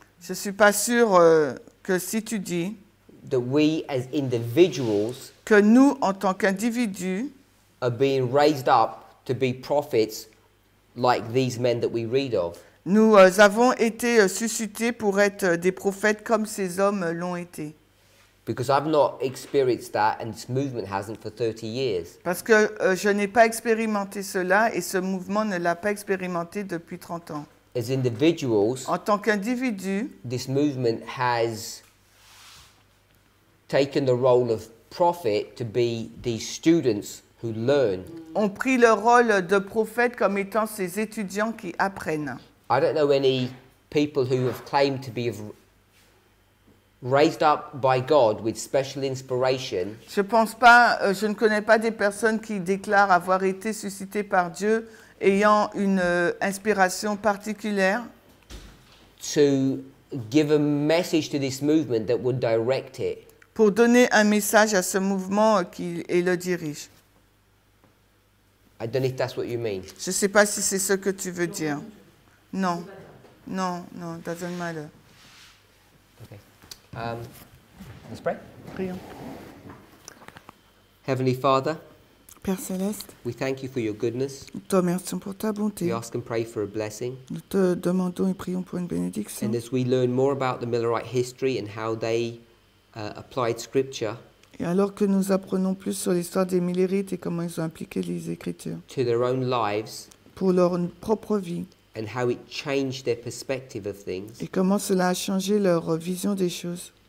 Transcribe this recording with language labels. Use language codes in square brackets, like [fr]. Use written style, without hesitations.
[fr] Je suis pas sûr que si tu dis. [en] That we as individuals. [fr] Que nous en tant qu'individus. [en] Are being raised up to be prophets, like these men that we read of. [fr] Nous avons été suscités pour être des prophètes comme ces hommes l'ont été. [en] Because I've not experienced that, and this movement hasn't for 30 years. [fr] Parce que je n'ai pas expérimenté cela, et ce mouvement ne l'a pas expérimenté depuis 30 ans. [en] As individuals, [fr] en tant qu'individu, [en] this movement has taken the role of prophet to be these students who learn. [fr] On pris le rôle de prophète comme étant ces étudiants qui apprennent. [en] I don't know any people who have claimed to be raised up by God with special inspiration. [fr] Je pense pas, je ne connais pas des personnes qui déclarent avoir été suscitées par Dieu ayant une inspiration particulière [en] to give a message to this movement that would direct it. [fr] Pour donner un message à ce mouvement qui et le dirige. [en] I don't know if that's what you mean. [fr] Je sais pas si c'est ce que tu veux dire. Non. Non, non, [en] doesn't matter. Okay. Let's pray. [fr] Prions. [en] Heavenly Father, [fr] Père Céleste, [en] we thank you for your goodness. [fr] Nous te remercions pour ta bonté. [en] We ask and pray for a blessing. [fr] Nous te demandons et prions pour une bénédiction. [en] And as we learn more about the Millerite history and how they applied scripture, [fr] et alors que nous apprenons plus sur l'histoire des Millerites et comment ils ont appliqué les Écritures, [en] to their own lives, [fr] pour leur propre vie, [en] and how it changed their perspective of things, [fr] et comment cela a changé leur vision des choses.